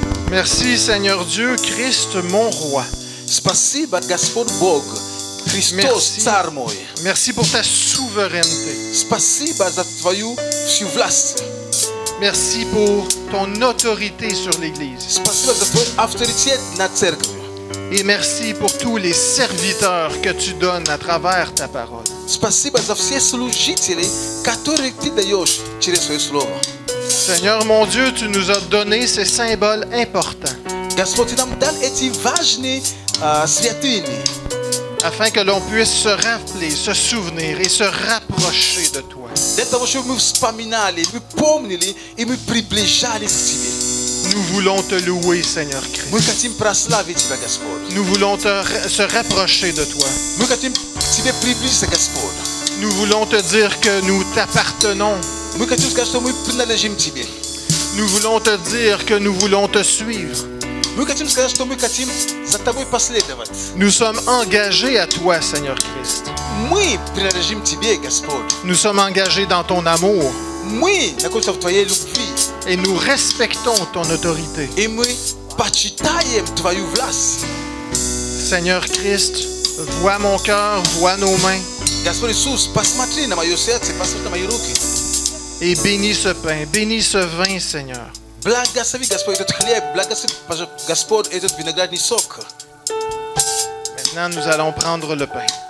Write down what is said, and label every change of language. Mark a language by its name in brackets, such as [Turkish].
[French] Merci Seigneur Dieu, Christ mon roi. [Russian] Спасибо Господь Бог, Христос царь мой. [French] Merci pour ta souveraineté. [Russian] Спасибо за твою всю власть. [French] Merci pour ton autorité sur l'Église. [Russian] Спасибо за твою авторитет над церковью. [French] Et merci pour tous les serviteurs que tu donnes à travers ta parole. [Russian] Спасибо за все служители, которые ты даешь через свое слово. [French] Seigneur mon Dieu, tu nous as donné ces symboles importants. [Russian] Господь нам дал эти важные святыни. [French] Afin que l'on puisse se rappeler, se souvenir et se rapprocher de toi. [Russian] Для того, чтобы мы вспоминали, мы помнили и мы приближались к тебе. [French] Nous voulons te louer, Seigneur Christ. [Russian] Мы хотим прославить тебя, Господь. [French] Nous voulons te se rapprocher de toi. [Russian] Мы хотим тебе приблизиться, Господь. [French] Nous voulons te dire que nous t'appartenons. [Russian] Мы хотим сказать, что мы принадлежим тебе. [French] Nous voulons te dire que nous voulons te suivre. [Russian] Мы хотим сказать, что мы хотим за тобой последовать. [French] Nous sommes engagés à toi, Seigneur Christ. [Russian] Мы принадлежим тебе, Господь. [French] Nous sommes engagés dans ton amour. [Russian] Мы на кое-что в твоей любви. [French] Et nous respectons ton autorité. [Russian] Et мы почитаем твою власть. [French] Seigneur Christ, vois mon cœur, vois nos mains. [Russian] Господь Иисус, посмотри на мое сердце, посмотри на мои руки. [French] Et bénis ce pain, bénis ce vin, Seigneur. [Russian] Благослови, Господь, этот хлеб, благослови, Господь, этот виноградный сок. [French] Maintenant, nous allons prendre le pain.